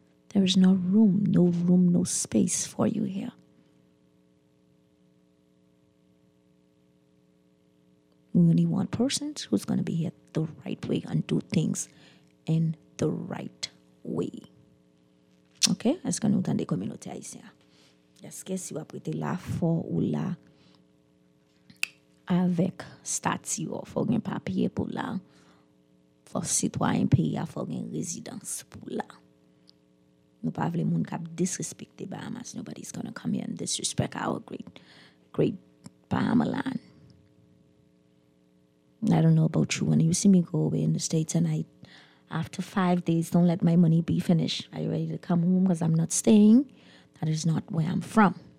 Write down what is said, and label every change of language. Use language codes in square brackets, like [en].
[en] There is no room, no space for you here. We only want persons who's going to be here the right way and do things in the right way. Okay? [fr] Est-ce que nous entendez communauté haïtienne? Est-ce que si vous êtes là, fort ou là, avec statut, vous avez un papier pour là, pour citoyen pays, vous avez une résidence pour là. Nous ne pouvons pas les gens qui disrespectent les Bahamas. [en] Nobody's going to come here and disrespect our great, great Bahama land. I don't know about you. When you see me go away in the States and after 5 days, don't let my money be finished. Are you ready to come home? Because I'm not staying. That is not where I'm from.